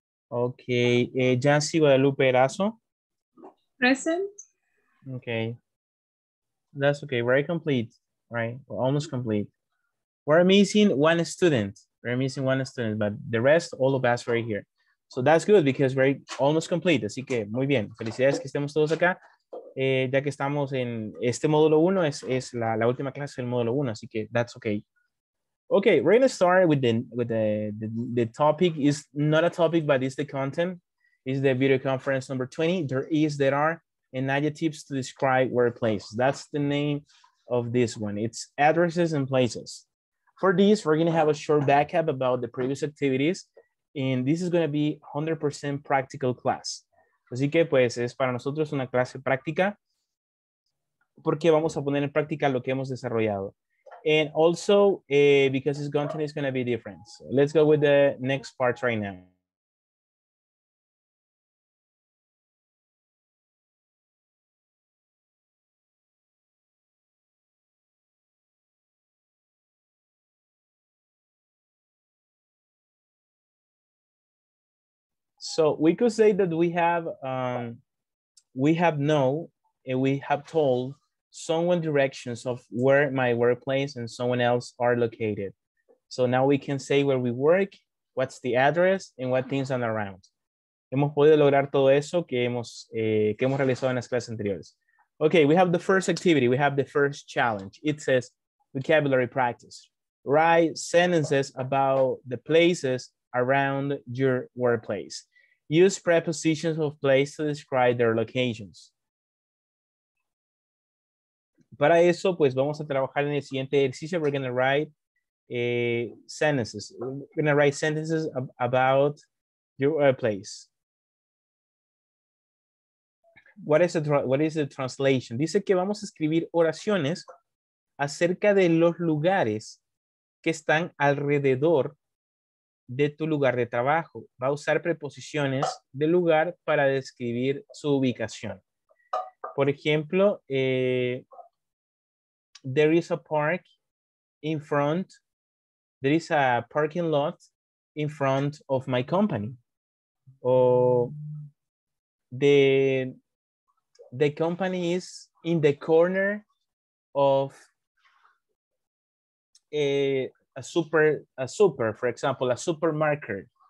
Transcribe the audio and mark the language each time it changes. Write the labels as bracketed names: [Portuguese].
[English] Okay. Yancy Guadalupe Erazo. Present. Okay. That's okay. Very complete, right? We're almost complete. We're missing one student. We're missing one student, but the rest, all of us right here. So that's good because we're almost complete. [Spanish] Así que muy bien. Felicidades que estemos todos acá. Ya que estamos en este módulo 1, es la última clase del módulo 1. Así que [English] that's okay. Okay, we're going to start with the topic. It's not a topic, but it's the content. It's the video conference number 20. There are and adjectives to describe workplaces. That's the name of this one. It's addresses and places. For this, we're going to have a short backup about the previous activities. And this is going to be 100% practical class. [Spanish] Así que pues es para nosotros una clase práctica porque vamos a poner en práctica lo que hemos desarrollado. [English] And also because this content is going to be different. So let's go with the next part right now. So we could say that we have know and we have told someone directions of where my workplace and someone else are located. So now we can say where we work, what's the address, and what things are around. [Spanish] Hemos podido lograr todo eso que hemos realizado en las clases anteriores. [English] Okay, we have the first activity. We have the first challenge. It says vocabulary practice. Write sentences about the places around your workplace. Use prepositions of place to describe their locations. [Spanish] Para eso, pues vamos a trabajar en el siguiente ejercicio. [English] We're going to write sentences. We're going to write sentences about your workplace. What is the translation? [Spanish] Dice que vamos a escribir oraciones acerca de los lugares que están alrededor de tu lugar de trabajo. Va a usar preposiciones de lugar para describir su ubicación. Por ejemplo, [English] there is a park in front, there is a parking lot in front of my company. Or the company is in the corner of a super, for example, a supermarket.